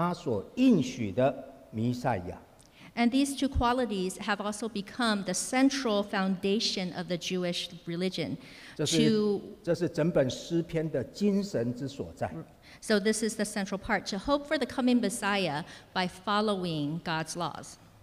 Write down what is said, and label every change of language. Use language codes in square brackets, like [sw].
[zh] 这两样东西也就构成犹太人信仰的基础，就是遵循神的律法，来期盼他所应许的弥赛亚。 [en] And these two qualities have also become the central foundation of the Jewish religion. [zh] 这是整本诗篇的精神之所在。 [en] So this is the central part, to hope for the coming Messiah by following God's laws.